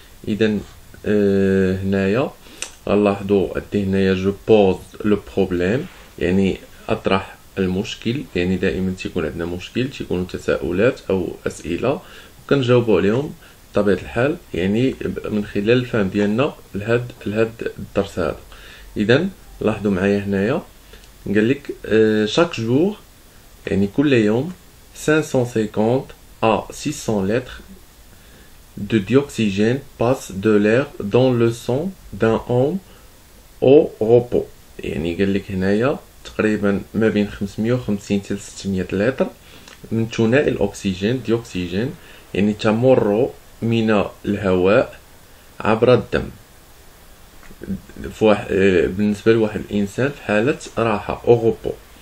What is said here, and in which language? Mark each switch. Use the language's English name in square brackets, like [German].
[Arabic] إذن هنايا غنلاحظوا عندي هنايا [French] جو بوز لو بروبليم [Arabic] يعني اطرح المشكل. يعني دائما تيكون عندنا مشكل تيكون تساؤلات او اسئله وكنجاوبوا عليهم بطبيعه الحال يعني من خلال الفهم ديالنا لهاد الدرس هذا. اذا لاحظوا معايا هنايا قال لك [French] شاك جور [Arabic] يعني كل يوم 550 à 600 لتر [French] de dioxygène passe de l'air dans le sang d'un homme au repos. [Arabic] يعني قال لك هنايا تقريبا ما بين 550 حتى 600 لتر من ثنائي الاكسجين ديوكسيجين يعني تمر من الهواء عبر الدم بالنسبه لواحد الانسان في حاله راحه او روبو.